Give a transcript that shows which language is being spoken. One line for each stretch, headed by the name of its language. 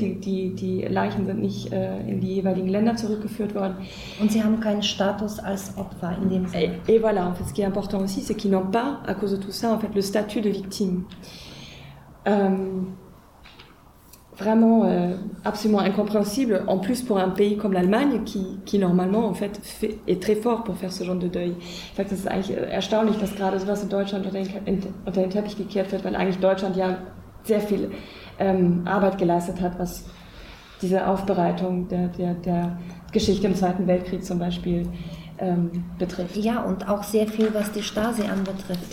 German: Die Leichen sind nicht in die jeweiligen Länder zurückgeführt worden. Und sie haben keinen Status als Opfer in dem Sinne.
French: Et voilà. En fait, ce qui est important aussi, c'est qu'ils n'ont pas, à cause de tout ça, en fait, le statut de victime. Vraiment absolument incompréhensible, en plus pour un pays comme l'Allemagne qui normalement en fait est très fort pour faire ce genre de deuil. En fait, c'est
German: erstaunlich, dass gerade sowas in Deutschland unter den Teppich gekehrt wird, weil eigentlich Deutschland ja sehr viel Arbeit geleistet hat, was diese Aufbereitung der Geschichte im Zweiten Weltkrieg zum Beispiel betrifft. Ja, und auch sehr viel, was die Stasi anbetrifft.